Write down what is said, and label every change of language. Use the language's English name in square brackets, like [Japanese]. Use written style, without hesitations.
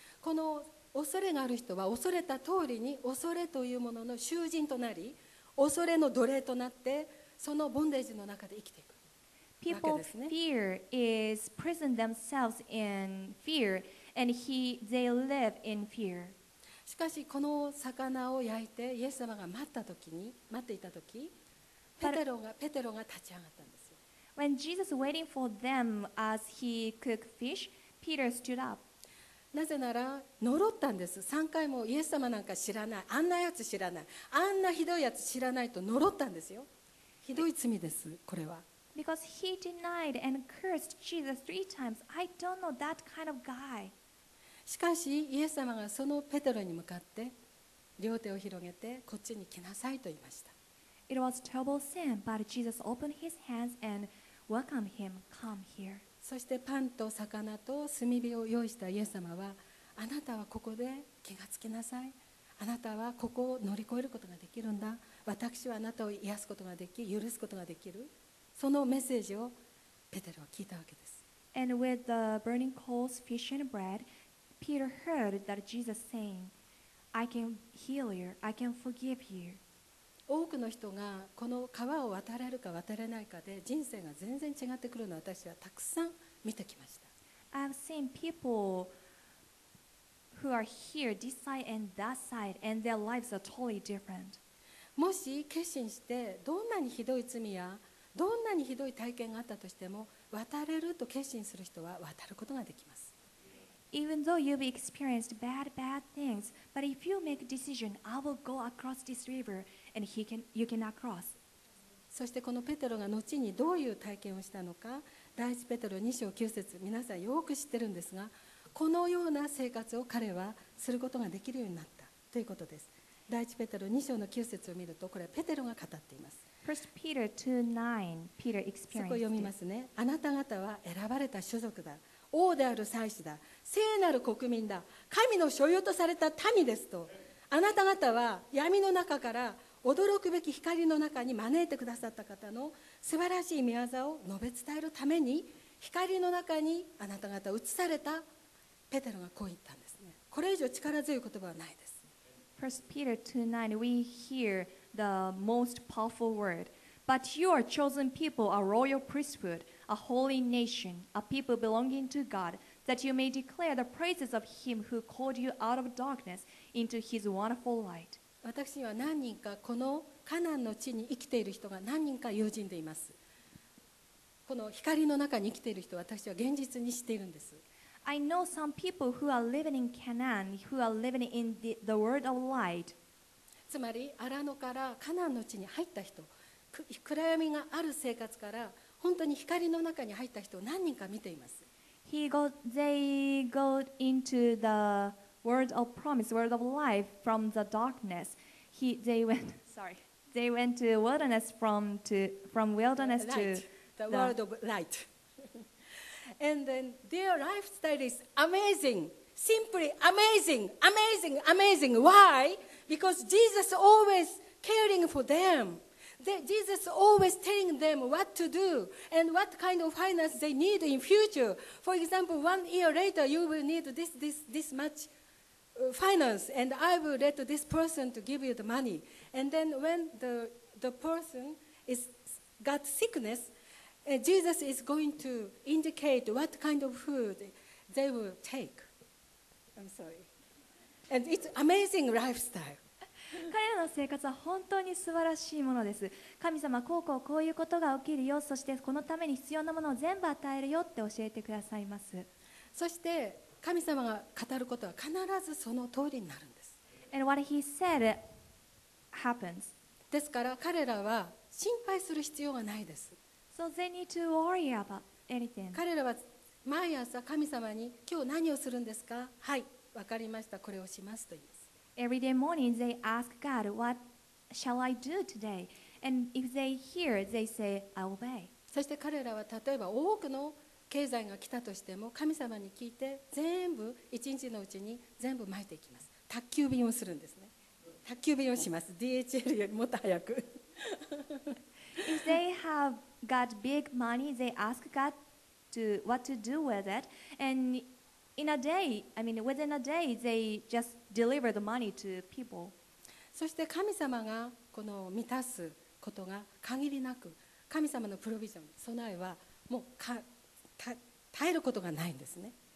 [Japanese] この恐れがある人は恐れた通りに恐れというものの囚人となり、恐れの奴隷となってそのボンデージの中で生きていくわけですね。 [English] People fear is prison themselves in fear, and they live in fear. [Japanese] しかしこの魚を焼いてイエス様が待っていた時、ペテロが立ち上がったんです。 [English] When Jesus was waiting for them as he cooked fish, Peter stood up. [Japanese] なぜなら呪ったんです。3回もイエス様なんか知らない、あんなやつ知らない、あんなひどいやつ知らないと呪ったんですよ。ひどい罪です、これは。 [English] Because he denied and cursed Jesus three times. I don't know that kind of guy. [Japanese] しかしイエス様がそのペテロに向かって両手を広げてこっちに来なさいと言いました。 [English] It was terrible sin, but Jesus opened his hands and welcomed him. Come here. [Japanese] そしてパンと魚と炭火を用意したイエス様は、あなたはここで気がつきなさい。あなたはここを乗り越えることができるんだ。私はあなたを癒すことができ、許すことができる。そのメッセージをペテロは聞いたわけです。 [English] And with the burning coals, fish and bread, Peter heard that Jesus saying, I can heal you. I can forgive you. [Japanese] 多くの人がこの川を渡れるか渡れないかで人生が全然違ってくるのを私はたくさん見てきました。 [English] I've seen people who are here, this side and that side, and their lives are totally different. [Japanese] もし決心してどんなにひどい罪やどんなにひどい体験があったとしても渡れると決心する人は渡ることができます。 [English] Even though you've experienced bad, bad things, but if you make a decision, I will go across this river. And he can, you cannot cross. [Japanese] そしてこのペテロが後にどういう体験をしたのか、第一ペテロ2章9節、皆さんよく知ってるんですが、このような生活を彼はすることができるようになったということです。第一ペテロ2章の9節を見ると、これはペテロが語っています。 [English] First Peter 2:9, Peter experienced. [Japanese] そこ読みますね。あなた方は選ばれた種族だ、王である祭司だ、聖なる国民だ、神の所有とされた民ですと、あなた方は闇の中から驚くべき光の中に招いてくださった方の素晴らしい御業を述べ伝えるために光の中にあなた方を移されたペテロがこう言ったんですね。これ以上力強い言葉はないです。 [English] First Peter 2:9 We hear the most powerful word. But you are chosen people, a royal priesthood, a holy nation, a people belonging to God, that you may declare the praises of him who called you out of darkness into his wonderful light. [Japanese] 私には何人かこのカナンの地に生きている人が何人か友人でいます。この光の中に生きている人は私は現実に知っているんです。 [English] I know some people who are living in Canaan who are living in the world of light. [Japanese] つまりアラノからカナンの地に入った人、暗闇がある生活から本当に光の中に入った人を何人か見ています。 [English] They go into the world of promise, world of life from the darkness. They went to wilderness from wilderness to the world of light. And then their lifestyle is amazing, simply amazing, amazing, amazing. Why? Because Jesus always caring for them. Jesus always telling them what to do and what kind of finance they need in future. For example, 1 year later, you will need this much finance, and I will let this person to give you the money. And then when the person is got sickness, Jesus is going to indicate what kind of food they will take. I'm sorry. And it's amazing lifestyle. [Japanese] 彼らの生活は本当に素晴らしいものです。神様こうこうこういうことが起きるよ、そしてこのために必要なものを全部与えるよって教えてくださいます。そして神様が語ることは必ずその通りになるんです。 [English] And what he said happens. [Japanese] ですから彼らは心配する必要がないです。 [English] So they need to worry about anything. [Japanese] 彼らは毎朝神様に今日何をするんですか、はい分かりましたこれをしますと言います。 [English] Every day morning, they ask God, "What shall I do today?" And if they hear, they say, "I obey." [Japanese] そして彼らは例えば多くの経済が来たとしても、神様に聞いて全部一日のうちに全部巻いていきます。宅急便をするんですね。宅急便をします。DHL よりもっと早く。 [English] If they have got big money, they ask God to what to do with it, and in a day, I mean, within a day, they just deliver the money to people. [Japanese] そして神様がこの満たすことが限りなく、神様のプロビジョン、備えはもうか耐えることがないんですね。